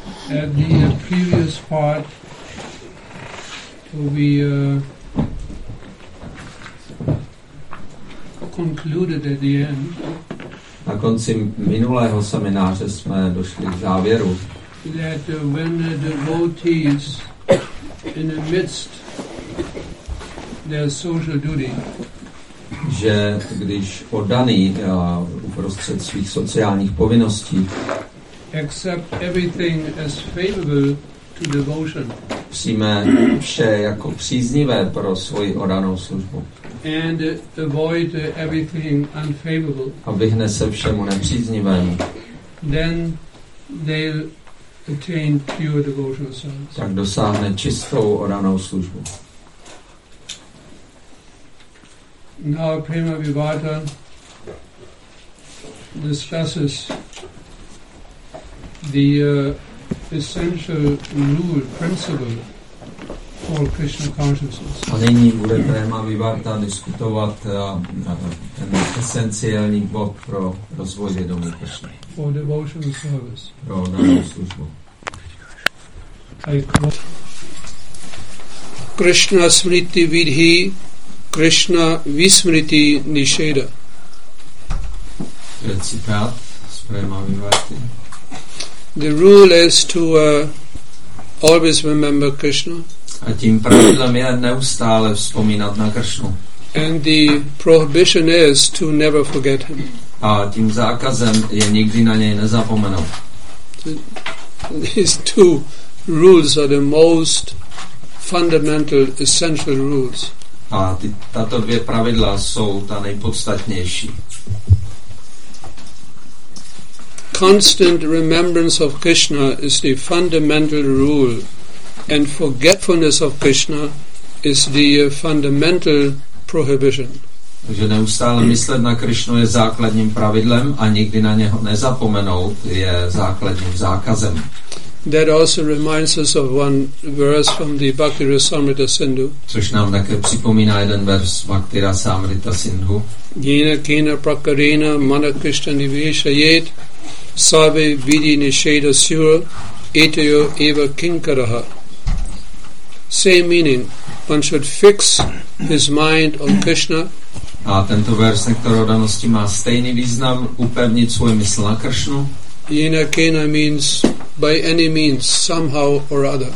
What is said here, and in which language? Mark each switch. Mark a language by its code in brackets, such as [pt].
[en] At the previous part we concluded at the end. [cs] Na konci minulého semináře jsme došli k závěru. [en] That when the devotees in the midst their social duty, [cs] že když oddaný uprostřed svých sociálních povinností [en] accept everything as favorable to devotion, [cs] přijme vše jako příznivé pro svoji oddanou službu, [en] and avoid everything unfavorable, [cs] a vyhne se všemu nepříznivému, [en] then they'll attain pure devotional service. [cs] Tak dosáhne čistou oranou službu. [en] Now Prema Vibhata discusses the essential rule principle for Krishna consciousness. [cs] A nyní bude Prema Vibhata diskutovat ten esenciální bod pro rozvoj vědomí Krishna. [en] For devotional service. [cs] Pro oranou službu. [sa] Krishna smriti vidhi, Krishna vismriti nisheda. [cs] Recitat z Prema Vibharati. [en] The rule is to always remember Krishna. [cs] A tím pravidlem je neustále vzpomínat na Krishnu. [en] And the prohibition is to never forget him. [cs] A tím zákazem je nikdy na něj nezapomenout. [en] These two rules are the most fundamental, essential rules. [cs] A tato dvě pravidla jsou ta nejpodstatnější. [en] Constant remembrance of Krishna is the fundamental rule, and forgetfulness of Krishna is the fundamental prohibition. [cs] Takže neustále myslet na Krishnu je základním pravidlem a nikdy na něho nezapomenout je základním zákazem. [en] That also reminds us of one verse from the Bhaktirasamrita Sindhu. [cs] Což nám také připomíná jeden verš Bhaktirasamrita Sindhu. [sa] Jena kena prakarena mana krishna niveshayet sarve vidhi nisheda sura etayo eva kinkaraha. [en] Same meaning, one should fix his mind on Krishna. [cs] A tento verš nektar odanosti má stejný význam, upevnit svůj mysl na Krishnu. [en] Jena kena means by any means, somehow or other.